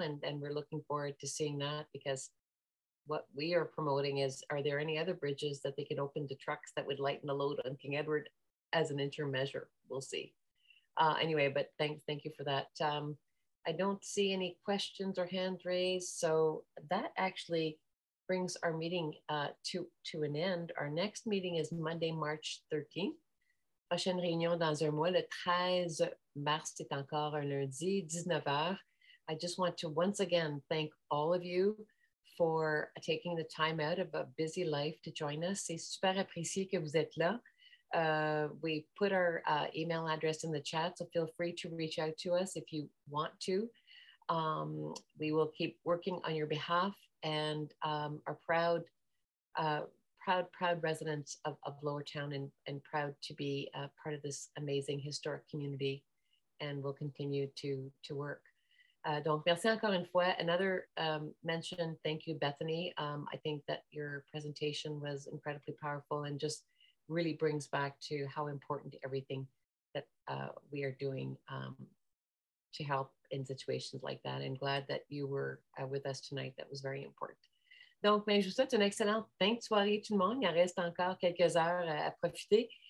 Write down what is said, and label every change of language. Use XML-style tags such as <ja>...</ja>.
<en>And we're looking forward to seeing that, because what we are promoting is, are there any other bridges that they can open to trucks that would lighten the load on King Edward as an interim measure? We'll see. Anyway, but thank you for that. I don't see any questions or hands raised. So that actually brings our meeting to an end. Our next meeting is Monday, March 13th.</en> <fr>Prochaine réunion dans un mois, le 13 mars, c'est encore un lundi, 19h.</fr> <en>I just want to once again thank all of you for taking the time out of a busy life to join us.</en> <fr>C'est super apprécié que vous êtes là.</fr> <en>We put our email address in the chat, so feel free to reach out to us if you want to. We will keep working on your behalf and are proud, proud residents of Lower Town and proud to be a part of this amazing historic community, and we'll continue to work.</en> <fr>Donc, merci encore une fois.</fr> <en>Another mention, thank you, Bethany. I think that your presentation was incredibly powerful and just really brings back to how important everything that we are doing to help in situations like that. And glad that you were with us tonight. That was very important.</en> <fr>Donc, mais je vous souhaite une excellente fin de soirée, tout le monde. Il reste encore quelques heures à profiter.</fr>